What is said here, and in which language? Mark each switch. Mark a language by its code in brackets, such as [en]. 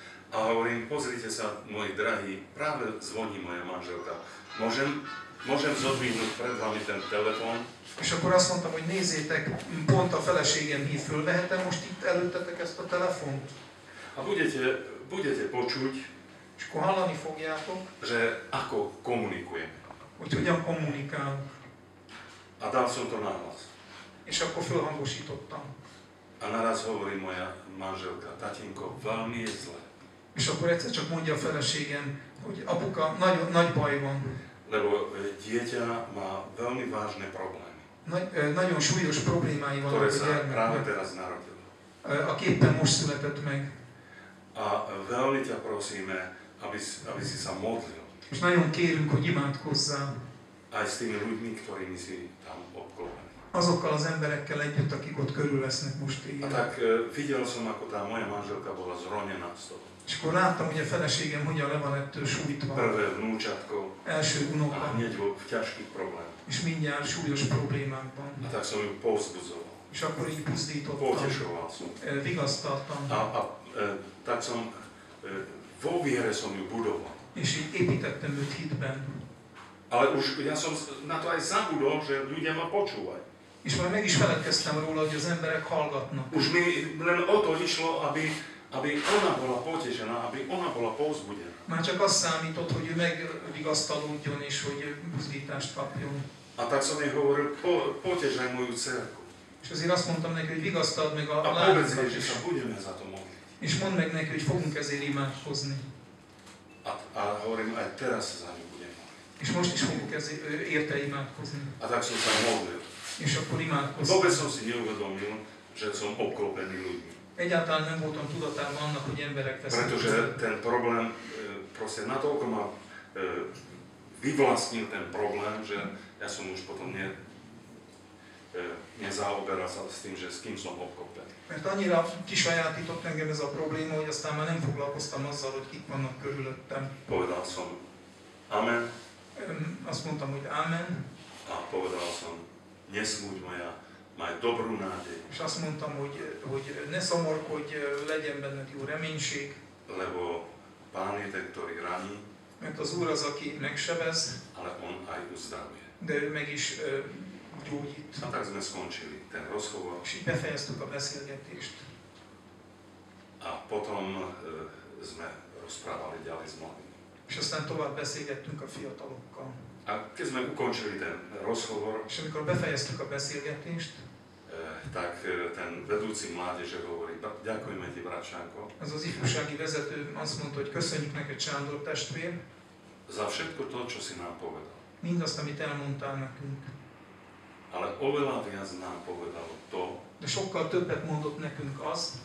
[sk] A hovorím, pozrite sa, moji drahí, práve zvoní moja manželka. Môžem zodvihnúť pred vami ten telefon? [hu] És akkor azt mondtam, hogy nézzétek, pont a feleségem hív, fölvehetem most itt előttetek ezt a telefont? [sk] A budete počuť, [hu] és akkor hallani fogjátok, [sk] že ako komunikujem. [hu] Hogy hogyan kommunikál. [sk] A dal som to nahlas. [hu] És akkor fölhangosítottam. [sk] A naraz hovorí moja manželka, tatínko, veľmi je zle. [hu] És akkor egyszer csak mondja a feleségem, hogy apuka, nagyon nagy baj van. [sk] Lebo dieťa má veľmi vážne problémy. [hu] Nagyon súlyos problémái van a gyermeknek. [sk] Práve teraz narodil. [hu] A képpen most született meg. [sk] A veľmi ťa prosíme, aby si sa modlil. [hu] És nagyon kérünk, hogy imádkozzál. [sk] Aj s tými ľuďmi, ktorými si tam obklopený. [hu] Azokkal az emberekkel együtt, akik ott körül lesznek most éjjel. [sk] A tak videl som, ako tá moja manželka bola zronená z toho. [hu] És akkor láttam, hogy a feleségem hogyan le van ettől sújtva. [sk] Prvé vnúčatko. [hu] Első unoka. [sk] A hneď vo ťažkých problémach. [hu] És mindjárt súlyos problémákban. [sk] A tak som ju povzbudzoval. [hu] És akkor így pusztítottam. [sk] Potešoval som. [hu] Vigasztaltam. [sk] Tak som, vo viere som ju budoval. [hu] És így építettem őt hitben. [sk] Ale už ja som na to aj zabudol, že ľudia ma počúvaj. [hu] És már meg is feledkeztem róla, hogy az emberek hallgatnak. [sk] Už mi len o to išlo, aby ona bola potešená, aby ona bola povzbudená. [hu] Már csak azt számított, hogy ő megvigasztalódjon és hogy buzdítást kapjon. [sk] A tak som jej hovoril, potešaj moju dcerku. [hu] És azért azt mondtam neki, hogy vigasztald meg a lányokat. [sk] A povedz jej, že sa budeme za to modliť. [hu] És mondd meg neki, hogy fogunk ezért imádkozni. [sk] A hovorím, aj teraz sa za ňu budem modliť. [hu] És most is fogunk ezért érte imádkozni. [sk] A tak som sa modlil. [hu] És akkor imádkozni. [sk] Vôbec som si neuvedomil, že som obklopený ľuďmi. [hu] Egyáltalán nem voltam tudatában annak, hogy emberek veszik. [sk] Pretože ten problém, proste natoľko ma vyvlastnil ten problém, že ja som už potom nezaoberal sa s tým, že s kým som obklopený. [hu] Mert annyira kisajátított engem ez a probléma, hogy aztán már nem foglalkoztam azzal, hogy kik vannak körülöttem. [sk] Povedal som amen. [hu] Azt mondtam, hogy amen. [sk] A povedal som, nesmúď moja. Majd dobrú nádej. [hu] És azt mondtam, hogy ne szomorkodj, legyen benned jó reménység. [sk] Lebo Pán je ten, ktorý raní. [hu] Mert az Úr az, aki megsebez. [sk] Ale on aj uzdravuje. [hu] De ő meg is gyógyít. [sk] A tak sme skončili ten rozhovor. [hu] És így befejeztük a beszélgetést. [sk] A potom sme rozprávali ďalej s mladými. [hu] És aztán tovább beszélgettünk a fiatalokkal. [sk] A keď sme ukončili ten rozhovor, [hu] és amikor befejeztük a beszélgetést, [sk] tak ten vedúci mládeže hovorí, ďakujeme ti, bratšánko. [hu] Ez az ifjúsági vezető azt mondta, hogy köszönjük neked, Sándor testvér. [sk] Za všetko to, čo si nám povedal. [hu] Mindazt, amit elmondtál nekünk. [sk] Ale oveľa viac nám povedal to. [hu] De sokkal többet mondott nekünk az.